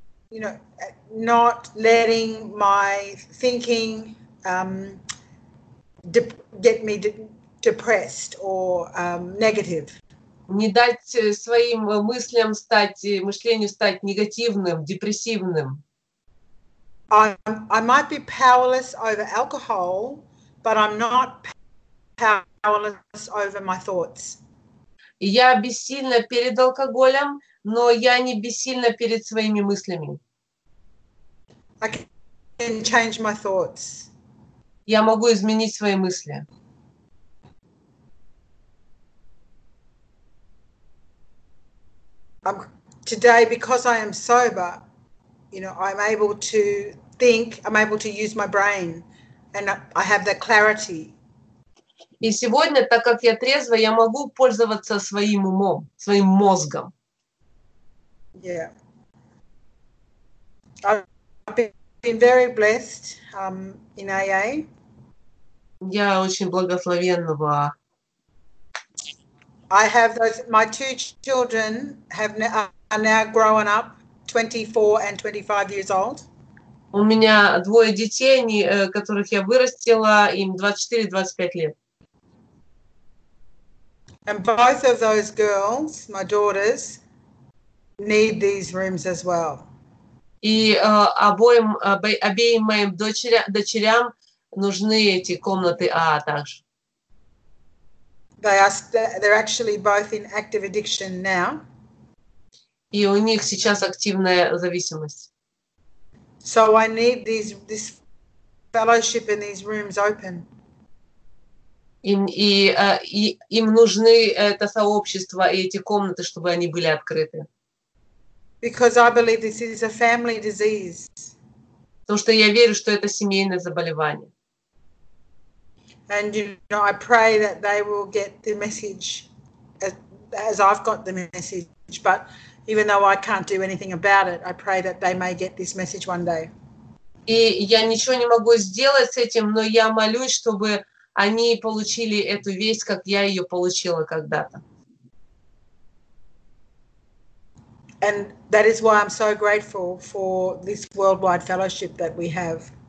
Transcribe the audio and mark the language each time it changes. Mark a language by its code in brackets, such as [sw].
[en] You know, not letting my thinking get me depressed or negative. [ru] Не дать своим мыслям стать, мышлению стать негативным, депрессивным. [en] I might be powerless over alcohol, but I'm not powerless over my thoughts. [ru] Я бессильна перед алкоголем, но я не бессильна перед своими мыслями. [en] I can change my thoughts. [ru] Я могу изменить свои мысли. [en] Today, because I am sober, you know, I'm able to think, I'm able to use my brain, and I have that clarity. [ru] И сегодня, так как я трезва, я могу пользоваться своим умом, своим мозгом. [en] Yeah. I've been very blessed in AA. [ru] Я очень благословенна в AA. [en] I have those, my two children have are now grown up, 24 and 25 years old. [ru] У меня двое детей, они, которых я вырастила, им 24-25 лет. [en] And both of those girls, my daughters, need these rooms as well. [ru] И обеим моим дочерям нужны эти комнаты АА также. [en] They're actually both in active addiction now. [ru] И у них сейчас активная зависимость. [en] So I need this fellowship in these rooms open. [ru] Им нужны это сообщество и эти комнаты, чтобы они были открыты. [en] Because I believe this is a family disease. [ru] Потому что я верю, что это семейное заболевание. [en] And you know, I pray that they will get the message, as I've got the message. But even though I can't do anything about it, I pray that they may get this message one day. [ru] И я ничего не могу сделать с этим, но я молюсь, чтобы они получили эту весть, как я ее получила когда-то. [en] And that is why I'm so grateful for this worldwide fellowship that we have.